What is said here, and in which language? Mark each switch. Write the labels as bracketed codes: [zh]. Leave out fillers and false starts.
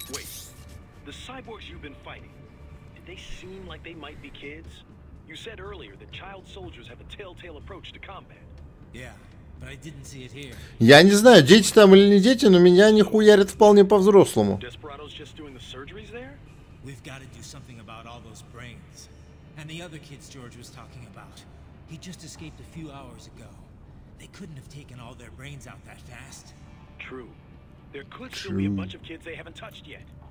[en] Wait, the cyborgs you've been fighting, did they seem like they might be kids? You said earlier that child soldiers have a telltale approach to combat. Yeah, but I didn't see it here. [ru] Я не знаю, дети там или не дети, но меня они хуярят вполне по-взрослому. [en] Desperado's just doing the surgeries there? We've got to do something about all those brains. And the other kids George was talking about. He just escaped a few hours ago. They couldn't have taken all their brains out that fast. True. There could still be a bunch of kids they haven't touched yet.